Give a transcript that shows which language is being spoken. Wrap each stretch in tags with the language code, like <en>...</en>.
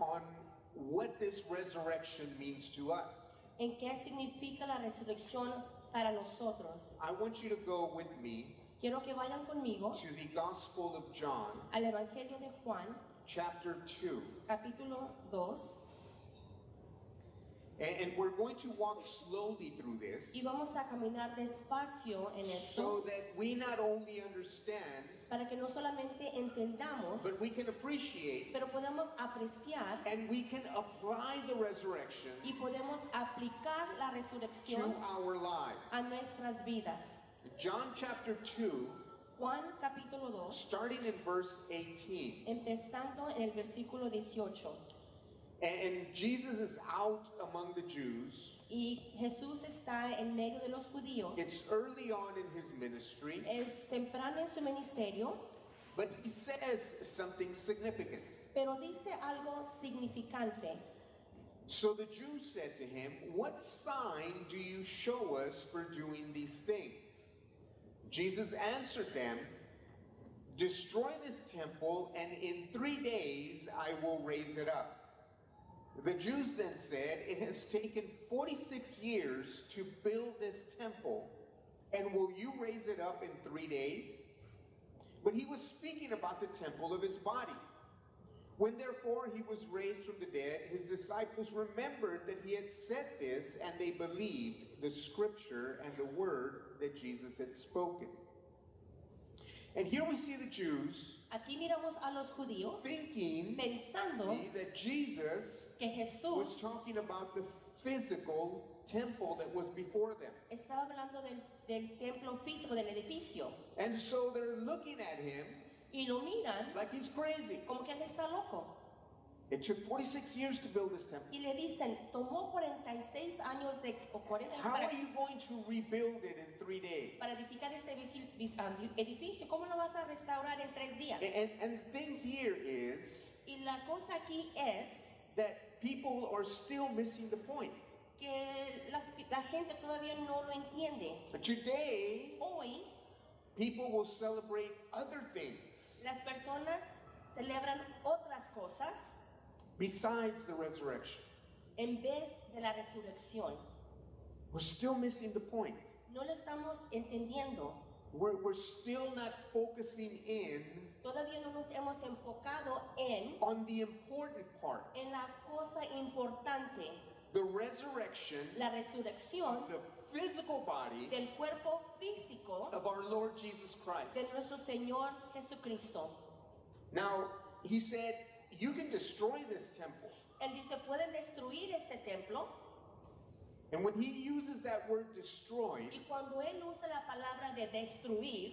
<en>On what this resurrection means to us.</en> <es>En qué significa la resurrección para nosotros.</es> <en>I want you to go with me.</en> <es>Quiero que vayan conmigo.</es> <en>To the Gospel of John.</en> <es>Al Evangelio de Juan.</es> <en>Chapter 2.</en> <es>Capítulo 2.</es> <en>And we're going to walk slowly through this,</en> <es>y vamos a caminar despacio en esto,</es> <en>so that we not only understand,</en> <es>para que no solamente entendamos,</es> <en>but we can appreciate,</en> <es>pero podemos apreciar,</es> <en>and we can apply the resurrection,</en> <es>y podemos aplicar la resurrección,</es> <en>to our lives,</en> <es>a nuestras vidas.</es> <en>John chapter 2,</en> <es>Juan capítulo 2,</es> <en>starting in verse 18,</en> <es>empezando en el versículo 18.</es> <en>And Jesus is out among the Jews.</en> <es>Y Jesús está en medio de los judíos.</es> <en>It's early on in his ministry.</en> <es>Es temprano en su ministerio.</es> <en>But he says something significant.</en> <es>Pero dice algo significante.</es> <en>So the Jews said to him, "What sign do you show us for doing these things?" Jesus answered them, "Destroy this temple, and in 3 days I will raise it up." The Jews then said, "It has taken 46 years to build this temple, and will you raise it up in 3 days?" But he was speaking about the temple of his body. When therefore he was raised from the dead, his disciples remembered that he had said this, and they believed the scripture and the word that Jesus had spoken. And here we see the Jews,</en> <es>aquí miramos a los judíos,</es> <en>thinking,</en> <es>pensando,</es> <en>that Jesus,</en> <es>que Jesús,</es> <en>was talking about the physical temple that was before them.</en> <es>Estaba hablando del templo físico, del edificio.</es> <en>And so they're looking at him,</en> <es>y lo miran,</es> <en>like he's crazy.</en> <es>Como que él está loco.</es> <en>It took 46 years to build this temple.</en> <es>Y le dicen, tomó 46 años de, o 40 años</es> <en>How</en> <es>para,</es> <en>are you going to rebuild it in 3 days?</en> <es>Para edificar este edificio, ¿cómo lo vas a restaurar en 3 días?</es> <en>And the thing here is,</en> <es>y la cosa aquí es,</es> <en>that people are still missing the point.</en> <es>Que la gente todavía no lo entiende.</es> <en>But today,</en> <es>hoy,</es> <en>people will celebrate other things.</en> <es>Las personas celebran otras cosas.</es> <en>Besides the resurrection.</en> <es>En vez de la resurrección.</es> <en>We're still missing the point.</en> <es>No lo estamos entendiendo.</es> <en>We're still not focusing in.</en> <es>Todavía no nos hemos enfocado en.</es> <en>On the important part.</en> <es>En la cosa importante.</es> <en>The resurrection.</en> <es>La resurrección.</es> <en>Of the physical body.</en> <es>Del cuerpo físico.</es> <en>Of our Lord Jesus Christ.</en> <es>De nuestro Señor Jesucristo.</es> <en>Now, he said, "You can destroy this temple."</en> <es>Él dice, "Pueden destruir este templo."</es> <en>And when he uses that word "destroy,"</en> <es>y cuando él usa la palabra de destruir,</es>